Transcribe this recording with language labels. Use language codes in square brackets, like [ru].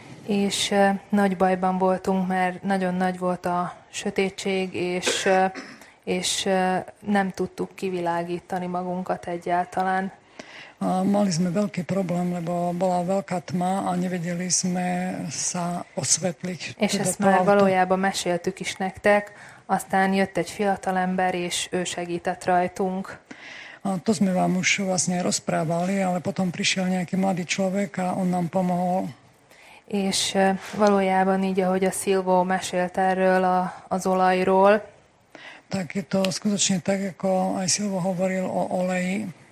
[hu] És nagy bajban voltunk, mert nagyon nagy volt a sötétség, és nem tudtuk kivilágítani magunkat egyáltalán. [sk] Mali sme veľký problém, lebo bola veľká tma a nevedeli sme sa osvetliť. [hu] És ezt már valójában meséltük is nektek, aztán jött egy fiatalember, és ő segített rajtunk. [sk] A to sme vám už vlastne rozprávali, ale potom prišiel nejaký mladý človek a on nám pomohol. [hu] És valójában így, ahogy a Szilvó mesélt erről az olajról. [sk] Tak je to skutočne tak, ako aj Szilvó hovoril o oleji.